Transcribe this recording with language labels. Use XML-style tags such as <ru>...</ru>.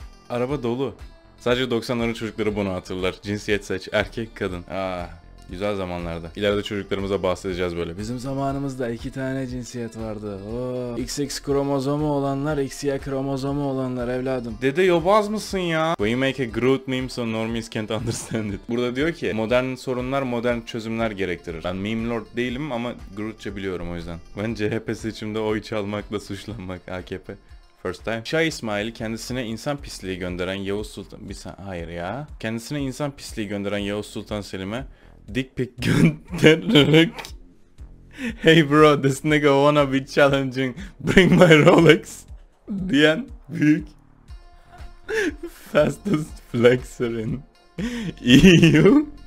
<tr>Araba dolu. Sadece 90'ların çocukları bunu hatırlar. Cinsiyet seç, erkek kadın. Ah. Güzel zamanlarda. İleride çocuklarımıza bahsedeceğiz böyle. Bizim zamanımızda iki tane cinsiyet vardı. Oh. XX kromozomu olanlar, XY kromozomu olanlar evladım. Dede yobaz mısın ya?</tr> <en>We make a Groot meme so normies can't understand it.</en> <tr>Burada diyor ki modern sorunlar modern çözümler gerektirir. Ben meme lord değilim ama Grootça biliyorum o yüzden. Ben CHP seçimde oy çalmakla suçlanmak AKP.</tr> <en>First time.</en> <tr>Şah İsmail kendisine insan pisliği gönderen Yavuz Sultan... Kendisine insan pisliği gönderen Yavuz Sultan Selim'e dick pic göndererek</tr> <en>"Hey bro, this nigga wanna be challenging, bring my Rolex"</en> <tr>diyen büyük</tr> <en>fastest flexer in EU.</en>